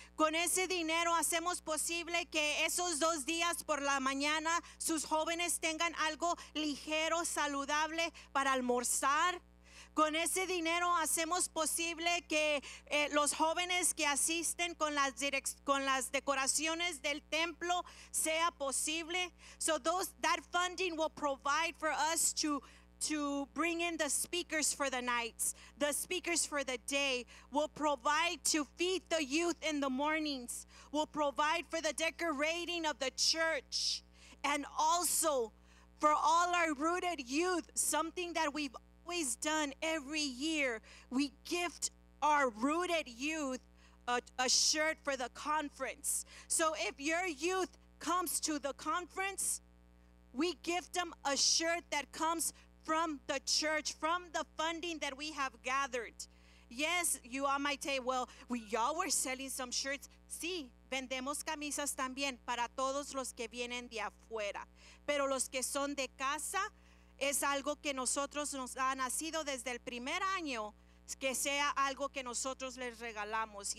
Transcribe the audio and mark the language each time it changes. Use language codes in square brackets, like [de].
[es] Con ese dinero hacemos posible que esos dos días por la mañana sus jóvenes tengan algo ligero, saludable para almorzar. Con ese dinero hacemos posible que los jóvenes que asisten con las decoraciones del templo sea posible. [en] So those, that funding will provide for us to bring in the speakers for the nights, the speakers for the day, will provide to feed the youth in the mornings, will provide for the decorating of the church, and also for all our rooted youth, something that we've always done every year, we gift our rooted youth a shirt for the conference. So if your youth comes to the conference, we gift them a shirt that comes from the church, from the funding that we have gathered. Yes, you all might say, well, y'all were selling some shirts. [es] Sí, vendemos camisas también para todos los que vienen de afuera. Pero los que son de casa, es algo que nosotros nos ha nacido desde el primer año, que sea algo que nosotros les regalamos.